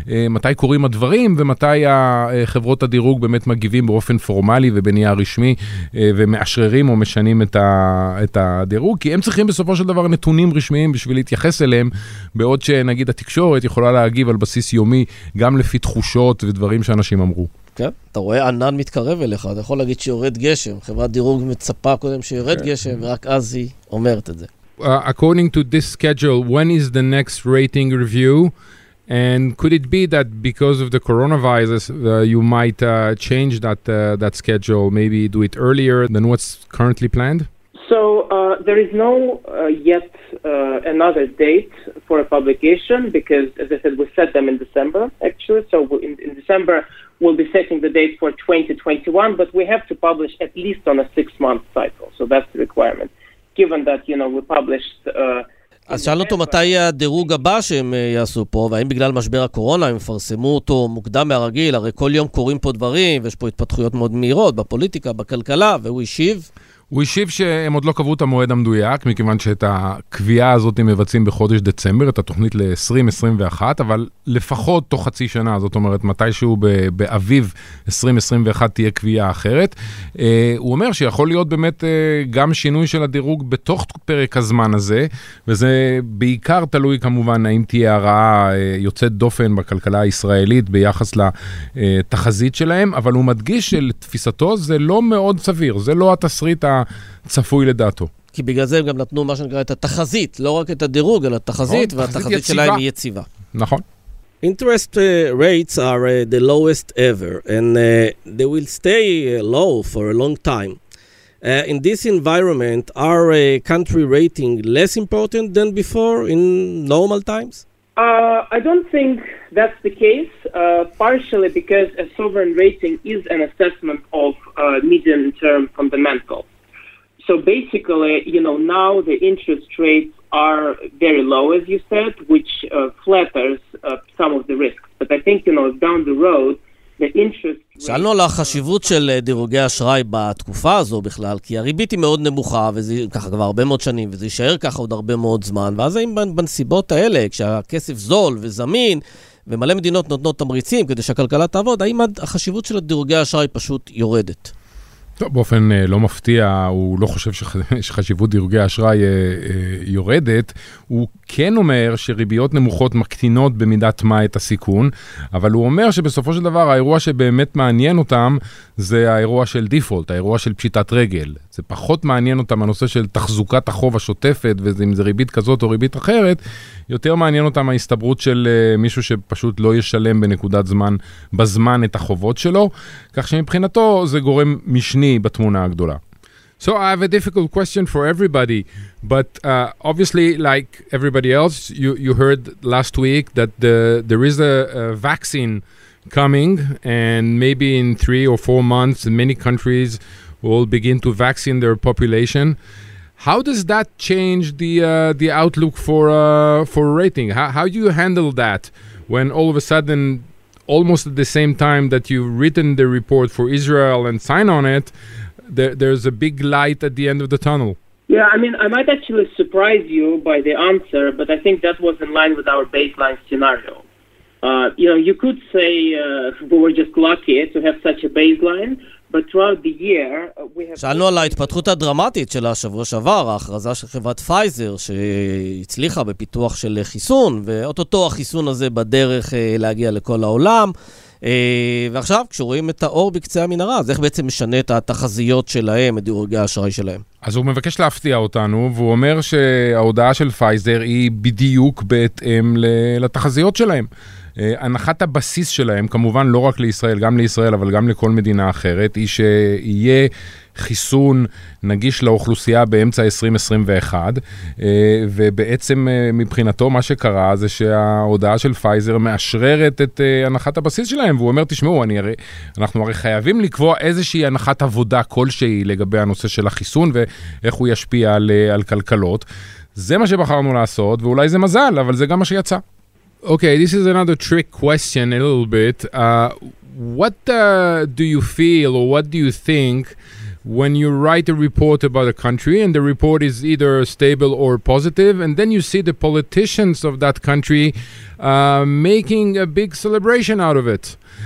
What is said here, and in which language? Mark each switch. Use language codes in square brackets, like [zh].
[he] מתי קורים הדברים ומתי חברות הדירוג באמת מגיבים באופן פורמלי ובנייה רשמי ומאשררים או משנים את הדירוג, כי הם צריכים בסופו של דבר נתונים רשמיים בשביל להתייחס אליהם, בעוד שנגיד התקשורת יכולה להגיב על בסיס יומי גם לפי תחושות ודברים שאנשים אמרו. כן, אתה רואה ענן מתקרב אליך, אתה יכול להגיד שיורד גשם, חברת דירוג מצפה קודם שיורד גשם, ורק אז היא אומרת את זה. [en] According to this schedule, when is the next rating review? And could it be that because of the coronavirus, you might change that schedule, maybe do it earlier than what's currently planned? So there is no yet another date for a publication because, as I said, we set them in December, actually. So in December, we'll be setting the date for 2021, but we have to publish at least on a six-month cycle. So that's the requirement, given that, you know, we published... [he] אז שאלנו אותו מתי יהיה הדירוג הבא שהם יעשו פה, והאם בגלל משבר הקורונה הם מפרסמו אותו מוקדם מהרגיל, הרי כל יום קורים פה דברים, ויש פה התפתחויות מאוד מהירות בפוליטיקה, בכלכלה, והוא השיב. הוא השיב שהם עוד לא קבעו את המועד המדויק, מכיוון שאת הקביעה הזאת הם מבצעים בחודש דצמבר, את התוכנית ל-2021, אבל לפחות תוך חצי שנה, זאת אומרת, מתישהו באביב 2021 תהיה קביעה אחרת. הוא אומר שיכול להיות באמת גם שינוי של הדירוג בתוך פרק הזמן הזה, וזה בעיקר תלוי כמובן האם תהיה הרעה יוצאת דופן בכלכלה הישראלית ביחס לתחזית שלהם, אבל הוא מדגיש שלתפיסתו זה לא מאוד סביר, זה לא התסריט צפוי לדעתו. כי בגלל זה הם גם נתנו מה שנקרא את התחזית, לא רק את הדירוג, אלא התחזית, והתחזית שלהם היא יציבה. נכון. [en] Interest rates are the lowest ever, and they will stay low for a long time. In this environment, are country rating less important than before in normal times? I don't think that's the case, partially because a sovereign rating is an assessment of medium-term fundamentals. So basically, you know, now the interest rates are very low, as you said, which flatters some of the risks. But I think, you know, down the road, the interest... [he] שאלנו על החשיבות של דירוגי אשראי בתקופה הזו בכלל, כי הריבית היא מאוד נמוכה, וזה ככה כבר הרבה מאוד שנים, וזה יישאר ככה עוד הרבה מאוד זמן. ואז האם בנסיבות האלה, כשהכסף זול וזמין, ומלא מדינות נותנות תמריצים כדי שהכלכלה תעבוד, האם החשיבות של דירוגי אשראי פשוט יורדת? טוב, באופן לא מפתיע, הוא לא חושב שחשיבות דירוגי האשראי יורדת. הוא כן אומר שריביות נמוכות מקטינות במידת מה את הסיכון, אבל הוא אומר שבסופו של דבר האירוע שבאמת מעניין אותם זה האירוע של דיפולט, האירוע של פשיטת רגל. זה פחות מעניין אותם הנושא של תחזוקת החוב השוטפת, ואם זה ריבית כזאת או ריבית אחרת, יותר מעניין אותם ההסתברות של מישהו שפשוט לא ישלם בנקודת זמן, בזמן את החובות שלו, כך שמבחינתו זה גורם משני בתמונה הגדולה. [en] So I have a difficult question for everybody, but obviously, like everybody else, you heard last week that there is a vaccine coming, and maybe in 3 or 4 months, many countries will begin to vaccine their population. How does that change the outlook for rating? How do you handle that when all of a sudden, almost at the same time that you've written the report for Israel and sign on it, there's a big light at the end of the tunnel? Yeah, I mean, I might actually surprise you by the answer, but I think that was in line with our baseline scenario. You know, you could say we were just lucky to have such a baseline, but throughout the year we have... [he] שאלנו על ההתפתחות הדרמטית של השבוע שעבר, ההכרזה של חברת פייזר שהצליחה בפיתוח של חיסון, ואוטוטו החיסון הזה בדרך להגיע לכל העולם. ועכשיו, כשרואים את האור בקצה המנהרה, אז איך בעצם משנה את התחזיות שלהם, את דירוגי האשראי שלהם? אז הוא מבקש להפתיע אותנו, והוא אומר שההודעה של פייזר היא בדיוק בהתאם לתחזיות שלהם. הנחת הבסיס שלהם, כמובן לא רק לישראל, גם לישראל, אבל גם לכל מדינה אחרת, היא שיהיה חיסון נגיש לאוכלוסייה באמצע 2021, ובעצם מבחינתו מה שקרה זה שההודעה של פייזר מאשררת את הנחת הבסיס שלהם, והוא אומר, תשמעו, אנחנו הרי חייבים לקבוע איזושהי הנחת עבודה כלשהי לגבי הנושא של החיסון ואיך הוא ישפיע על כלכלות. זה מה שבחרנו לעשות, ואולי זה מזל, אבל זה גם מה שיצא. [en] Okay, this is another trick question a little bit. Do you feel or what do you think when you write a report about a country and the report is either stable or positive, and then you see the politicians of that country making a big celebration out of it?